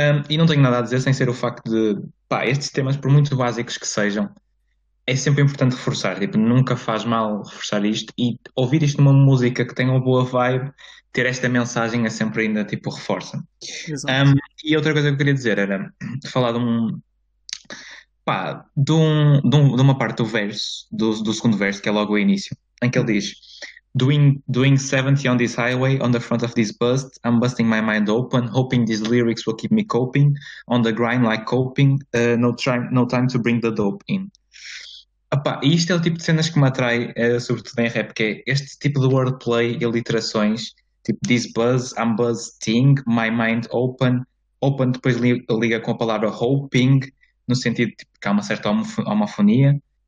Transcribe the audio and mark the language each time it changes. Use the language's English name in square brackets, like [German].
[Portuguese] E não tenho nada a dizer sem ser o facto de, pá, estes temas, por muito básicos que sejam, é sempre importante reforçar, tipo, nunca faz mal reforçar isto e ouvir isto numa música que tem uma boa vibe, ter esta mensagem é sempre ainda, tipo, reforça. Exato. E outra coisa que eu queria dizer era, falar de um, pá, de uma parte do verso, do segundo verso, que é logo o início, em que ele diz... [English] Doing 70 on this highway, on the front of this bus, I'm busting my mind open, hoping these lyrics will keep me coping, on the grind like coping, no time to bring the dope in. [Portuguese] Epá, e isto é o tipo de cenas que me atrai, sobretudo em rap, que é este tipo de wordplay e aliterações, tipo [English] this buzz, I'm busting, my mind open [Portuguese] depois liga com a palavra hoping, no sentido de tipo, que há uma certa homofonia.